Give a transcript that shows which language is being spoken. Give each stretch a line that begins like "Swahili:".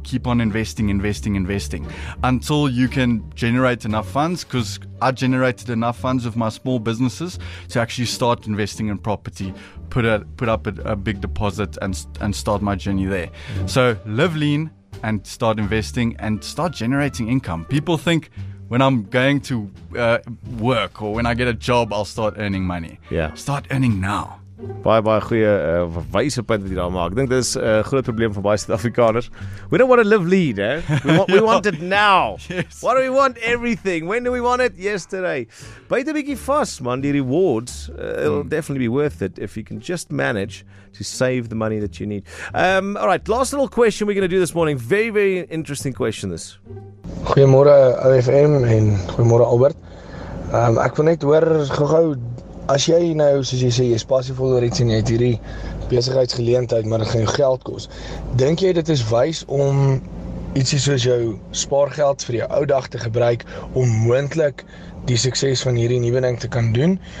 English: Keep on investing until you can generate enough funds, because I generated enough funds with my small businesses to actually start investing in property, put up a big deposit and start my journey there. So live lean and start investing and start generating income. People think, when I'm going to work or when I get a job, I'll start earning money. Yeah. Start earning now.
Afrikaans: Baie, baie goeie wyse punt wat jy daar maak. Ek dink dit is 'n groot probleem vir baie Suid-Afrikaners.
English: We don't want to live lean, eh? We want it now. Yes. What do we want? Everything. When do we want it? Yesterday.
Afrikaans: Byte 'n bietjie vas, man. Die rewards,
English: it'll definitely be worth it if you can just manage to save the money that you need. All right, last little question we're going to do this morning. Very, very interesting question this.
Afrikaans: Goeiemôre OFM en goeiemôre Albert. Ek wil net hoor gou-gou, as jy nou, soos jy sê, jy is passievol oor iets en jy het hierdie besigheidsgeleentheid, maar dit gaan jou geld kos. Dink jy dit is wys om ietsie soos jou spaargeld vir jou ou dag te gebruik om moontlik die sukses van hierdie nuwe ding te kan doen?